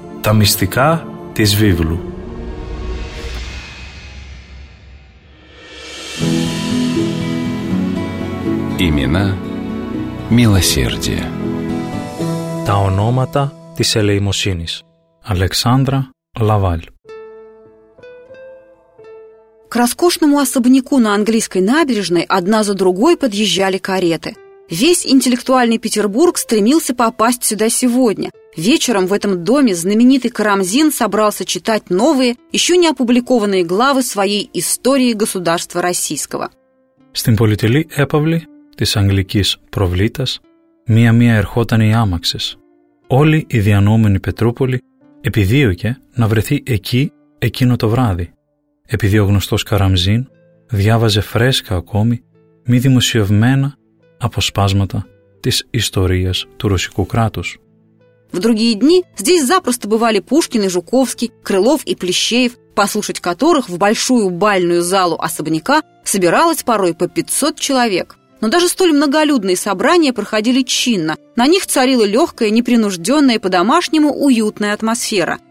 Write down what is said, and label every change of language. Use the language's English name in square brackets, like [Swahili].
[Greek] Τα μυστικά της Βίβλου. [Russian] Имена милосердия. [Greek] Τα ονόματα της ελεημοσύνης. Αλεξάνδρα Λαβάλ. [Russian] К роскошному особняку на Английской набережной одна за другой подъезжали кареты. Весь интеллектуальный Петербург стремился попасть сюда сегодня. Вечером в этом доме знаменитый Карамзин собрался читать новые, еще не опубликованные главы своей истории государства российского. [Greek] Στην πολυτελή έπαυλη της αγγλικής προβλήτας, μία-μία ερχόταν οι άμαξες. Όλη η διανοούμενη Πετρούπολη επιδίωκε να βρεθεί εκεί εκείνο το βράδυ, επειδή ο γνωστός Καραμζίν διάβαζε φρέσκα ακόμη μη δημοσιευμένα αποσπάσματα της ιστορίας του ρωσικού κράτους. [Russian] В другие дни здесь запросто бывали Пушкин и Жуковский, Крылов и Плещеев, послушать которых в большую бальную залу особняка собиралось порой по 500 человек. Но даже столь многолюдные собрания проходили чинно. На них царила легкая, непринужденная, по-домашнему уютная атмосфера.